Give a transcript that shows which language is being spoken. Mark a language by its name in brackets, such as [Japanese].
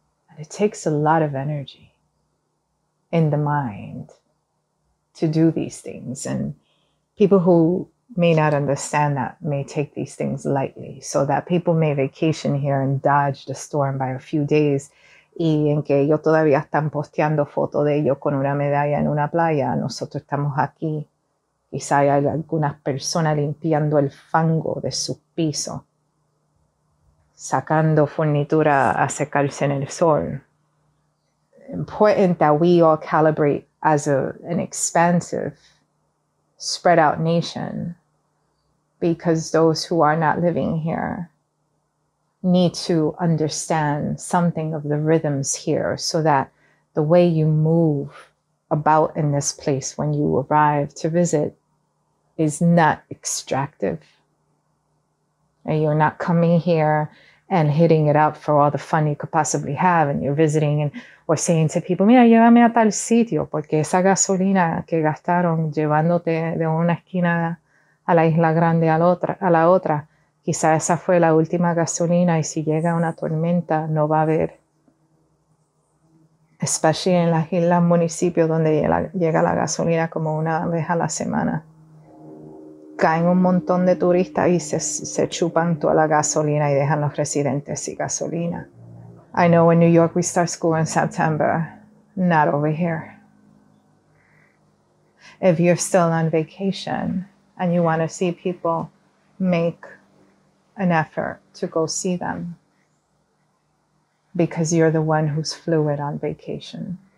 [English] And it takes a lot of energy in the mind to do these things. And people who may not understand that may take these things lightly. So that people may vacation here and dodge the storm by a few days. [Spanish] Y en que ellos todavía están posteando fotos de ellos con una medalla en una playa, nosotros estamos aquí. Quizá hay algunas personas limpiando el fango de su piso, sacando furnitura a secarse en el sol. [English] Important that we all calibrate as an expansive, spread out nation, because those who are not living here need to understand something of the rhythms here so that the way you move about in this place when you arrive to visit is not extractive. And you're not coming here and hitting it up for all the fun you could possibly have, and you're visiting and we're saying to people, [Spanish] mira, llévame a tal sitio porque esa gasolina que gastaron llevándote de una esquina a la Isla Grande a la otra, quizá esa fue la última gasolina y si llega una tormenta no va a haber. [English] Especially [Spanish] en las islas municipios donde llega la gasolina como una vez a la semana. Caen un montón de turistas y se chupan toda la gasolina y dejan los residentes sin gasolina. [English] I know in New York we start school in September, not over here. If you're still on vacation and you want to see people, make an effort to go see them because you're the one who's fluid on vacation.